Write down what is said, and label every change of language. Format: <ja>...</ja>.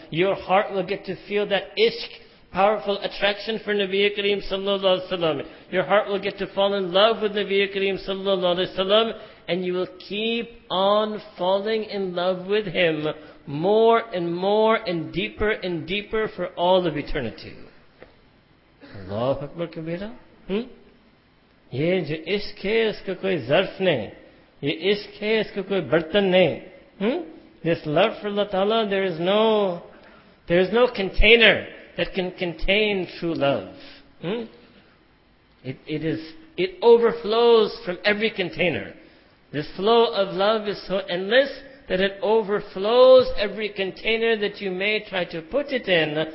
<en>Your heart will get to feel that ishq, powerful attraction for Nabi Kareem sallallahu alayhi wa sallam. Your heart will get to fall in love with Nabi Kareem sallallahu alayhi wa sallam. And you will keep on falling in love with him more and more and deeper for all of eternity. Allahu Akbar Kabira.</en> <ur>یہ جو عشق ہے اس کا کوئی ظرف نہیں, یہ عشق ہے اس کا کوئی برتن نہیں.</ur> <en>This love for Allah Ta'ala, there is no container that can contain true love. It overflows from every container. This flow of love is so endless that it overflows every container that you may try to put it in.</en>